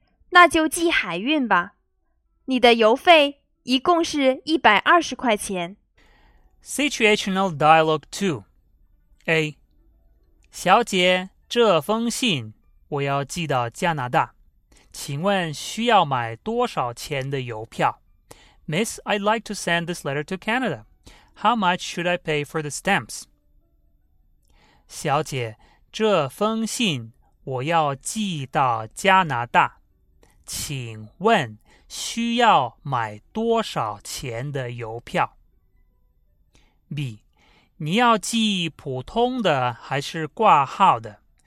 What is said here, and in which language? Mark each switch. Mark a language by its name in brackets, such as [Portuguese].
[Chinese] 那就寄海运吧。你的邮费一共是120块钱。 [English] Situational Dialogue [Chinese] 2 A 小姐，这封信我要寄到加拿大。请问需要买多少钱的邮票？ [English] Miss, I'd like to send this letter to Canada. How much should I pay for the stamps? [Chinese] 小姐，这封信我要寄到加拿大。请问需要买多少钱的邮票？ B. 你要寄普通的还是挂号的？